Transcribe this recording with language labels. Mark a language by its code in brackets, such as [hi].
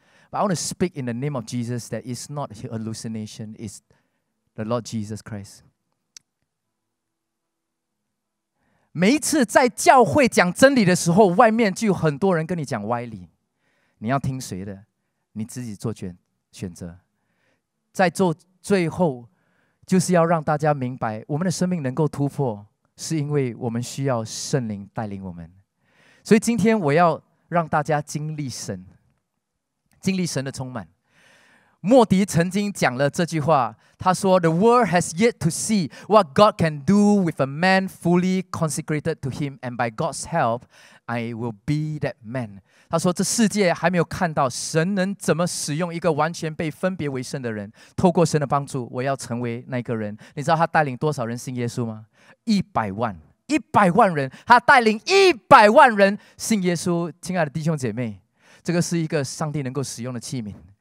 [en] But I want to speak in the name of Jesus that it's not hallucination, it's the Lord Jesus Christ. [zh] 每一次在教会讲真理的时候，外面就有很多人跟你讲歪理，你要听谁的，你自己做决定选择。在做最后就是要让大家明白，我们的生命能够突破是因为我们需要圣灵带领我们。所以今天我要让大家经历神，经历神的充满。莫迪曾经讲了这句话，他说 [en] The world has yet to see what God can do with a man fully consecrated to him, and by God's help I will be that man. [zh] 他说这世界还没有看到神能怎么使用一个完全被分别为圣的人，透过神的帮助我要成为那个人。你知道他带领多少人信耶稣吗？一百万人，他带领一百万人信耶稣。亲爱的弟兄姐妹，这个是一个上帝能够使用的器皿。